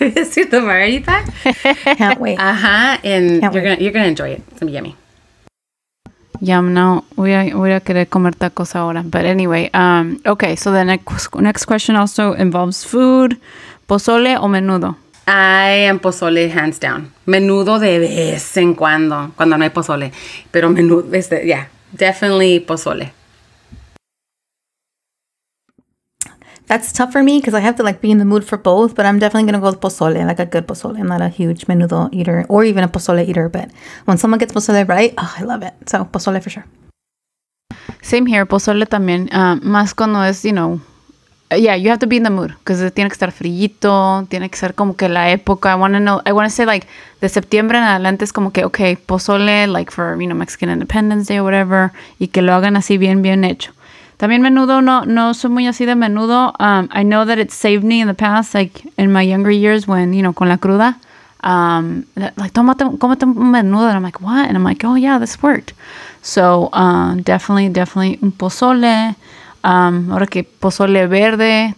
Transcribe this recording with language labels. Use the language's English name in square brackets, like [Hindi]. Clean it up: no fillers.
[English] Is it the variety pack? Can't wait. Uh-huh. And you're gonna enjoy it. It's gonna be yummy. Yeah, no, we are [Spanish] querer comer tacos ahora. [English] But anyway, okay, so the next question also involves food. [Spanish] Pozole o menudo? [English] I am pozole, hands down. [Spanish] Menudo de vez en cuando, cuando no hay pozole. Pero menudo, definitely pozole. [English] That's tough for me because I have to like be in the mood for both, but I'm definitely going to go with pozole, like a good pozole. I'm not a huge menudo eater or even a pozole eater, but when someone gets pozole right, oh, I love it. So pozole for sure. Same here. [Spanish] Pozole también. Más cuando es, [English] you know, you have to be in the mood because [Spanish] tiene que estar frillito, tiene que ser como que la época. [English] I want to say like the September [Spanish] en adelante es como que, [English] okay, pozole, like for, you know, Mexican Independence Day or whatever, [Spanish] y que lo hagan así bien, bien hecho. También menudo, no soy muy así de menudo. [English] I know that it saved me in the past, like in my younger years when, you know, [Spanish] con la cruda. Cómete un menudo. [English] And I'm like, what? And I'm like, oh, yeah, this worked. So definitely [Spanish] un pozole. Ahora que pozole verde.